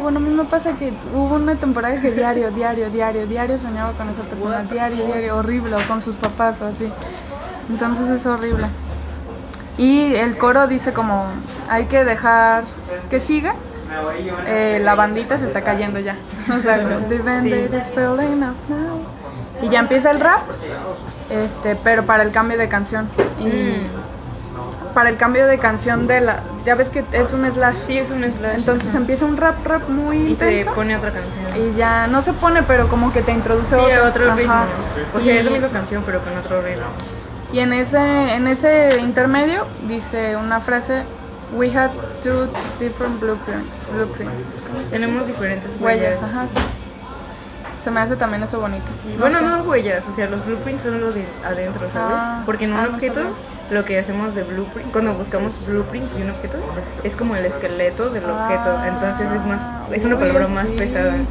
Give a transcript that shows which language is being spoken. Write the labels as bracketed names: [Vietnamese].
[Spanish] Bueno, a mí me pasa que hubo una temporada que diario soñaba con esa persona, diario, horrible, o con sus papás o así. Entonces es horrible. Y el coro dice como, hay que dejar que siga. La bandita se está cayendo ya. O sea, [English] the bandit is falling off now. [Spanish] Y ya empieza el rap. Pero para el cambio de canción. Para el cambio de canción de la. Ya ves que es un slash. Sí, es un slash. Entonces empieza un rap muy y intenso. Y se pone otra canción. Y ya no se pone, pero como que te introduce sí, otro ritmo. Ajá. O sea, es la misma canción, pero con otro ritmo. Y en ese intermedio dice una frase. [English] We had two different blueprints. [Spanish] Tenemos diferentes huellas. Ajá, sí. Se me hace también eso bonito. Bueno, no huellas, o sea, los blueprints son los de adentro, ¿sabes? Ah, porque en un objeto, no lo que hacemos de blueprint, cuando buscamos blueprints de un objeto, es como el esqueleto del objeto. Entonces es más, es una palabra más sí. pesada.